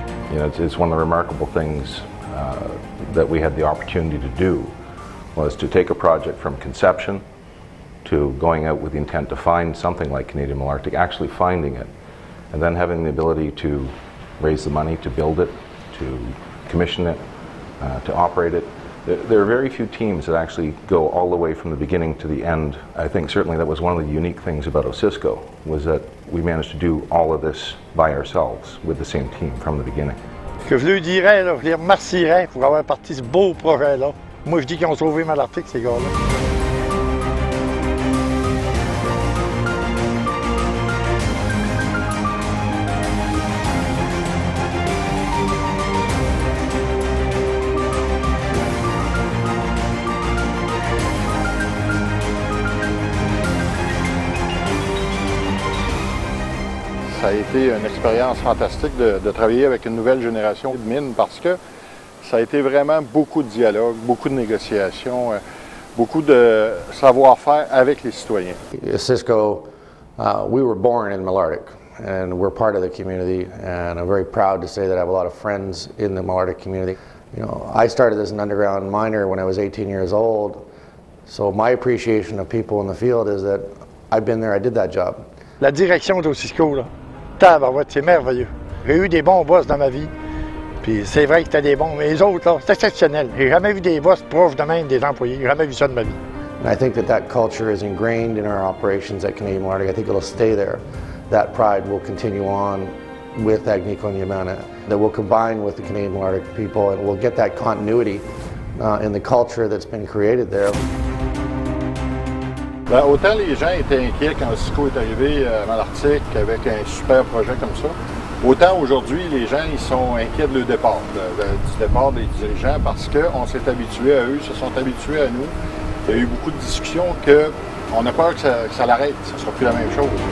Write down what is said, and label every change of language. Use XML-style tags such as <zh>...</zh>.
<en>You know, it's one of the remarkable things that we had the opportunity to do was to take a project from conception to going out with the intent to find something like Canadian Malartic, actually finding it, and then having the ability to raise the money to build it, to commission it, to operate it. There are very few teams that actually go all the way from the beginning to the end. I think certainly that was one of the unique things about Osisko, was that we managed to do all of this by ourselves with the same team from the beginning.</en> <fr>Que je lui dirais, là, je les remercierais pour avoir parti ce beau projet-là. Moi, je dis qu'ils ont sauvé Malartic, ces gars-là. Ça a été une expérience fantastique de travailler avec une nouvelle génération de mines parce que ça a été vraiment beaucoup de dialogue, beaucoup de négociations, beaucoup de savoir-faire avec les citoyens.</fr> <en>Cisco, we were born in Malartic and we're part of the community and I'm very proud to say that I have a lot of friends in the Malartic community. You know, I started as an underground miner when I was 18 years old, so my appreciation of people in the field is that I've been there, I did that job.</en> <fr>La direction d'Osisko, là, tabarouette, c'est merveilleux. J'ai eu des bons boss dans ma vie, puis c'est vrai que t'as des bons, mais les autres, là, c'est exceptionnel. J'ai jamais vu des boss proches de même des employés, j'ai jamais vu ça de ma vie.</fr> <en>And I think that that culture is ingrained in our operations at Canadian Malartic. I think it'll stay there. That pride will continue on with Agnico and Yamana, that will combine with the Canadian Malartic people, and we'll get that continuity in the culture that's been created there.</en> <fr>Bien, autant les gens étaient inquiets quand Cisco est arrivé à Malartic avec un super projet comme ça, autant aujourd'hui les gens ils sont inquiets du départ des dirigeants parce qu'on s'est habitué à eux, se sont habitués à nous. Il y a eu beaucoup de discussions qu'on a peur que ça l'arrête, que ce ne sera plus la même chose.</fr>